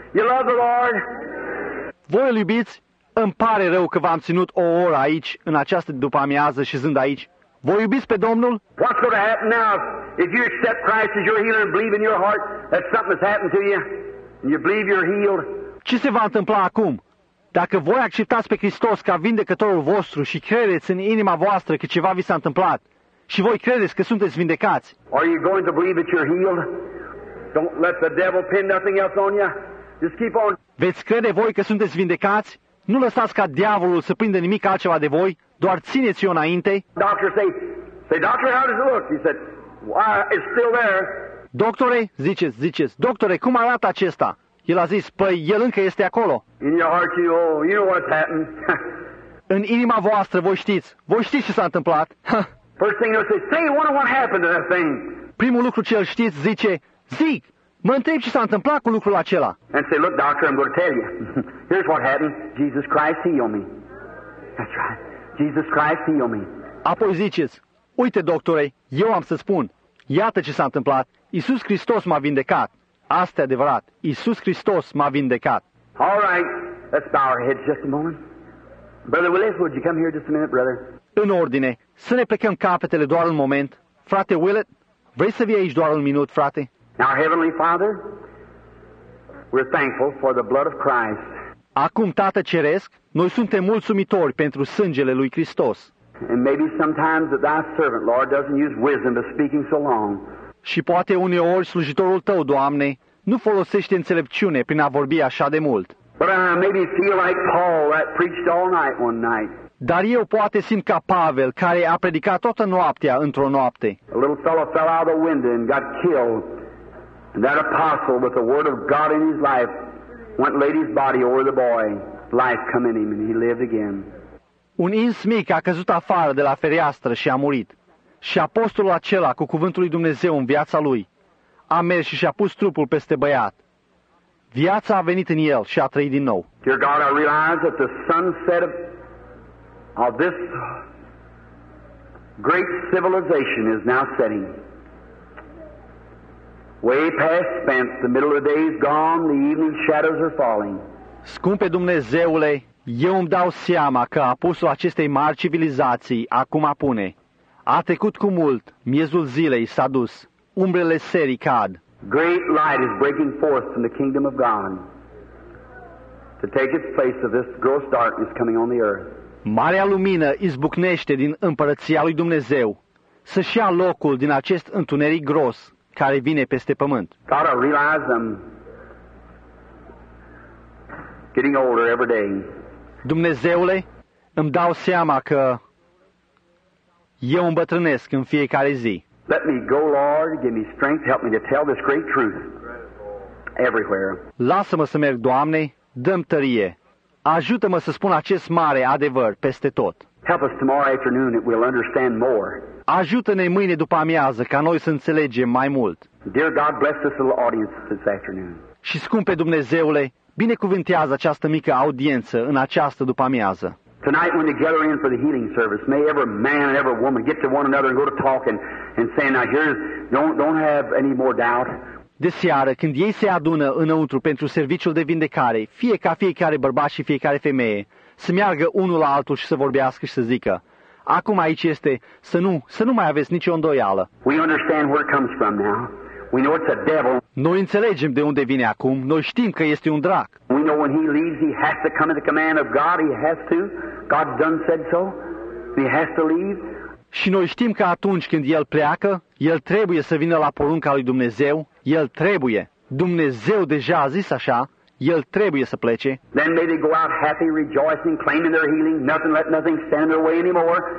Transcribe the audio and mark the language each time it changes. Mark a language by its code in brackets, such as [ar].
[en] You love the Lord? [ro] Voi îl iubiți? Îmi pare rău că v-am ținut o oră aici, în această după-amiază și zând aici. Vă iubiți pe Domnul? [en] What's going to happen now if you accept Christ as your healer and believe in your heart that something has happened to you and you believe you're healed? [ro] Ce se va întâmpla acum? Dacă voi acceptați pe Hristos ca vindecătorul vostru și credeți în inima voastră că ceva vi s-a întâmplat și voi credeți că sunteți vindecați? [en] Are you going to believe that you're healed? Don't let the devil pin nothing else on you. Just keep on. [ro] Veți crede voi că sunteți vindecați? Nu lăsați ca diavolul să prindă nimic altceva de voi, doar țineți-o înainte. [en] Say, "Doctor, how does it look?" He said, "It's still there." [ro] Doctore, ziceți, doctore, cum arată acesta? El a zis, păi, el încă este acolo. [en] In your heart, you know what's happened. [ro] În inima voastră, voi știți ce s-a întâmplat. [en] First thing you'll say, "Wonder what happened to that thing." [ro] Primul lucru ce îl știți, zice, zic, mă întreb ce s-a întâmplat cu lucrul acela. [en] And say, "Look, doctor, I'm going to tell you. Here's what happened. Jesus Christ healed me." That's right. Jesus Christ healed me. [ro] Apoi ziceți, uite, doctore, eu am să spun. Iată ce s-a întâmplat. Iisus Hristos m-a vindecat. Asta e adevărat. Iisus Hristos m-a vindecat. [en] All right. Let's bow our heads just a moment. Brother Willis, would you come here just a minute, brother? [ro] În ordine. Să ne plecăm capetele doar un moment. Frate Willett, vrei să vii aici doar un minut, frate? [en] Now, Heavenly Father, we're thankful for the blood of Christ. [ro] Acum, Tată Ceresc, noi suntem mulțumitori pentru sângele lui Hristos. [en] And maybe sometimes that thy servant, Lord, doesn't use wisdom to speaking so long. [ro] Și poate uneori slujitorul tău, Doamne, nu folosește înțelepciune prin a vorbi așa de mult. [en] But I maybe feel like Paul that preached all night one night. [ro] Dar eu poate simt ca Pavel, care a predicat toată noaptea într-o noapte. [en] A little fellow fell out of the window and got killed. And that apostle, with the word of God in his life, went and laid his body over the boy. life come in him and he lived again. [ro] Un ins mic a căzut afară de la fereastră și a murit. Și apostolul acela cu cuvântul lui Dumnezeu în viața lui a mers și și-a pus trupul peste băiat. Viața a venit în el și a trăit din nou. [en] Dear God, I realize that the sunset of this great civilization is now setting. Way past spent, the middle of the day is gone, the evening shadows are falling. [ro] Scumpe Dumnezeule, eu îmi dau seama că apusul acestei mari civilizații acum apune. A trecut cu mult, miezul zilei s-a dus, umbrele serii cad. [en] Great light is breaking forth from the kingdom of God to take its place of this gross darkness coming on the earth. [ro] Marea lumină izbucnește din împărăția lui Dumnezeu să-și ia locul din acest întuneric gros care vine peste pământ. [en] God, I realize I'm getting older every day. [ro] Dumnezeule, îmi dau seama că eu îmbătrânesc în fiecare zi. [en] Let me go, Lord, give me strength, help me to tell this great truth everywhere. [ro] Lasă-mă să merg, Doamne, dă-mi tărie. Ajută-mă să spun acest mare adevăr peste tot. [en] Help us tomorrow afternoon that we'll understand more. [ro] Ajută-ne mâine după amiază ca noi să înțelegem mai mult. [en] Dear God, bless this little audience this afternoon. [ro] Și scumpe Dumnezeule, binecuvântează această mică audiență în această după amiază. [en] Tonight when they gather in for the healing service, may every man and every woman get to one another and go to talk and say, now here's, don't have any more doubt. [ro] De seară, când ei se adună înăuntru pentru serviciul de vindecare, fie ca fiecare bărbat și fiecare femeie, să meargă unul la altul și să vorbească și să zică, acum aici este să nu mai aveți nicio îndoială. [en] We understand where it comes from now. We know it's a devil. [ro] Noi înțelegem de unde vine acum. Noi știm că este un drac. [en] We know when he leaves, he has to come at the command of God. He has to. God's done said so. He has to leave. [ro] Și noi știm că atunci când el pleacă, el trebuie să vină la porunca lui Dumnezeu. El trebuie. Dumnezeu deja a zis așa. El trebuie să plece. [en] Then may they go out happy, rejoicing, claiming their healing. Nothing, let nothing stand in their way anymore.